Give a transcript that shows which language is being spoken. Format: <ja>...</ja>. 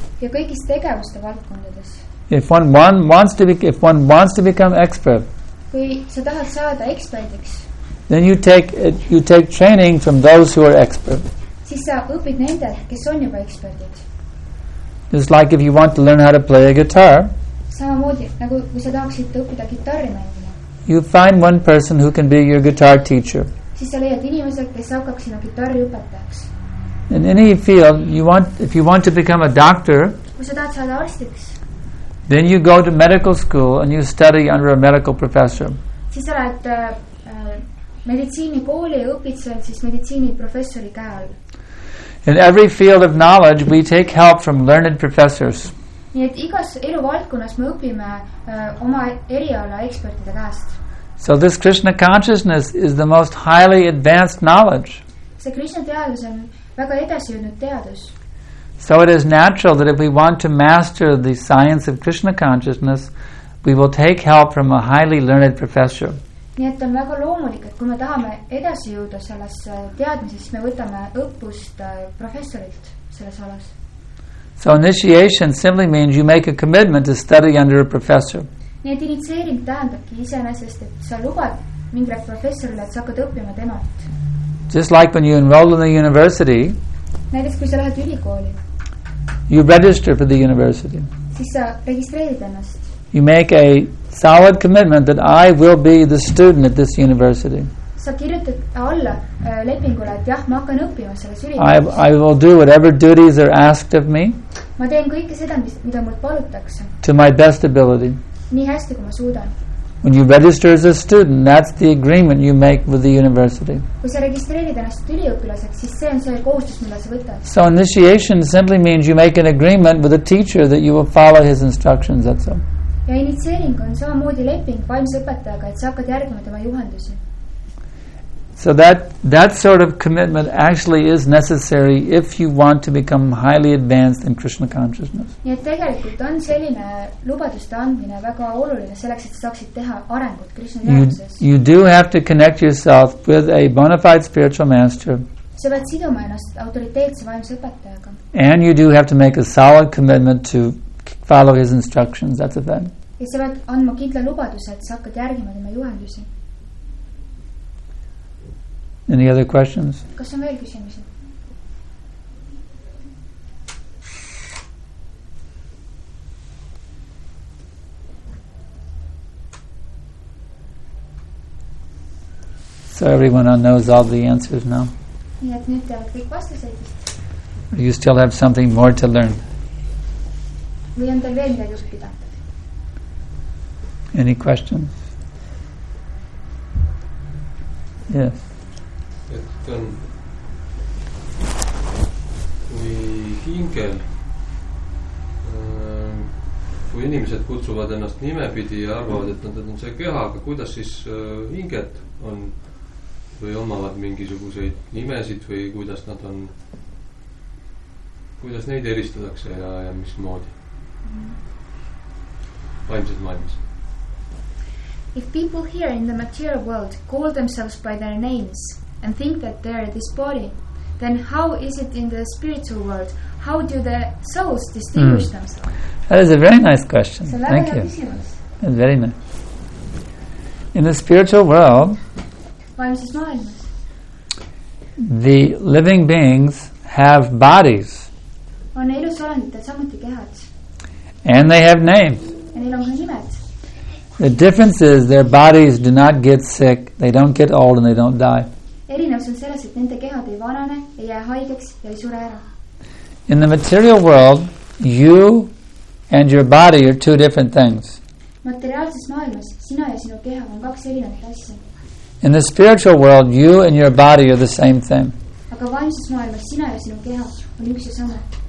<et>ja kõigis tegevuste valdkondades,</et> <en>if one wants to become expert,</en> <et>kui sa tahad saada ekspertiks,</et> <en>then you take training from those who are expert.</en> <et>Siis sa õpid nendel, kes on juba eksperdid.</et> <en>Just like if you want to learn how to play a guitar,</en> <et>samamoodi, nagu kui sa tahaksid õppida gitarri mängima,</et> <en>you find one person who can be your guitar teacher.</en> <et>Siis sa leiad inimese, kes hakkaks sinu gitarri õpetajaks.</et> <en>In any field, if you want to become a doctor,</en> <et>kui sa tahad saada arstiks,</et> <en>then you go to medical school and you study under a medical professor.</en> <et>Siis sa lähed meditsiini kooli ja õpid seal siis meditsiini professori käe all.</et> <en>In every field of knowledge, we take help from learned professors.</en> <et>Nii et igas eluvaldkonnas me õpime oma eriala ekspertide käest.</et> <en>So this Krishna consciousness is the most highly advanced knowledge.</en> <et>See Krishna teadus on väga edasi jõudnud teadus.</et> <en>So it is natural that if we want to master the science of Krishna consciousness, we will take help from a highly learned professor.</en> <et>Nii et on väga loomulik, et kui me tahame edasi jõuda selles teadmises, siis me võtame õppust professorilt selles alas.</et> <en>So initiation simply means you make a commitment to study under a professor.</en> <et>Nii et initseering tähendabki isenesest, et sa lubad mingile professorile, et sa hakkad õppima temalt.</et> <en>Just like when you enroll in the university,</en> <et>näiteks kui sa lähed ülikooli,</et> <en>you register for the university.</en> <et>Siis sa registreerid ennast.</et> <en>You make a solid commitment that I will be the student at this university.</en> <et>Sa kirjutad alla lepingule, et jah, ma hakkan õppima selles ülikoolis.</et> <en>I will do whatever duties are asked of me.</en> <et>Ma teen kõike seda, mida mul palutakse.</et> <en>To my best ability.</en> <et>Nii hästi, kui ma suudan.</et> <en>When you register as a student, that's the agreement you make with the university.</en> <et>Kui sa registreerid ennast üliõpilaseks, siis see on see kohustus, mille sa võtad.</et> <en>So initiation simply means you make an agreement with a teacher that you will follow his instructions, that's all.</en> <et>Ja initseering on samamoodi leping vaimse õpetajaga, et sa hakkad järgima tema juhendusi.</et> <en>So that sort of commitment actually is necessary if you want to become highly advanced in Krishna consciousness.</en> <et>Nii et tegelikult on selline lubaduste andmine väga oluline selleks, et saaksid teha arengut Krishna teadvuses.</et> <en>You do have to connect yourself with a bona fide spiritual master.</en> <et>Sa pead siduma ennast autoriteetse vaimse õpetajaga.</et> <en>And you do have to make a solid commitment to follow his instructions. That's a thing.</en> <et>Ja sa pead andma kindla lubaduse, et sa hakkad järgima tema juhendusi.</et> <en>Any other questions?</en> <et>Kas on veel küsimusi?</et> <en>So everyone knows all the answers now.</en> <et>Nii et nüüd teavad kõik vastuseid.</et> <en>Or you still have something more to learn?</en> <et>Või on teil veel midagi õppida?</et> <en>Any questions? Yes.</en> <et>Et on kui hingel kui inimesed kutsuvad ennast nimepidi ja arvavad, et nad on see keha, aga kuidas siis hinged on või omavad mingisuguseid nimesid või kuidas nad on kuidas neid eristatakse ja mis moodi vaimsed maailmas</et> <en>If people here in the material world call themselves by their names and think that they are this body, then how is it in the spiritual world? How do the souls distinguish themselves? That is a very nice question. Thank you. That's very nice. In the spiritual world, the living beings have bodies. And they have names. The difference is their bodies do not get sick, they don't get old, and they don't die.</en> <et>Erinevus on selles, et nende kehad ei vanane, ei jää haigeks ja ei sure ära.</et> <en>In the material world, you and your body are two different things.</en> <et>Materiaalses maailmas, sina ja sinu keha on kaks erinevat asja.</et> <en>In the spiritual world, you and your body are the same thing.</en> <et>Aga vaimses maailmas, sina ja sinu keha on üks ja sama.</et>